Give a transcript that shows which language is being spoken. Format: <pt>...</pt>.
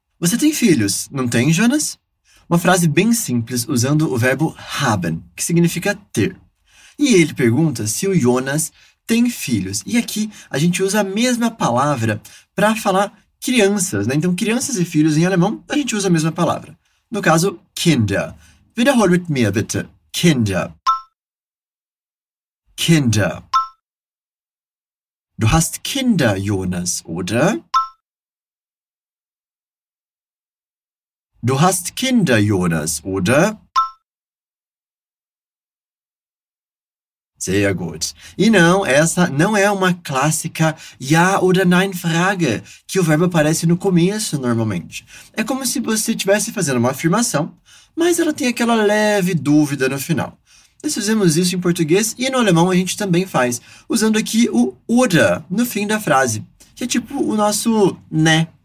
<pt>Você tem filhos, não tem, Jonas? Uma frase bem simples usando o verbo haben, que significa ter. E ele pergunta se o Jonas tem filhos. E aqui a gente usa a mesma palavra para falar crianças, né? Então, crianças e filhos em alemão, a gente usa a mesma palavra. No caso, Kinder.</pt> <de>Wiederhol mit mir, bitte. Kinder. Kinder. Du hast Kinder, Jonas, oder? Du hast Kinder, Jonas, oder? Sehr gut.</de> <pt>E não, essa não é uma clássica</pt> <de>ja oder nein Frage,</de> <pt>que o verbo aparece no começo normalmente. É como se você estivesse fazendo uma afirmação, mas ela tem aquela leve dúvida no final. Nós fizemos isso em português e no alemão a gente também faz, usando aqui o oder no fim da frase, que é tipo o nosso né.</pt>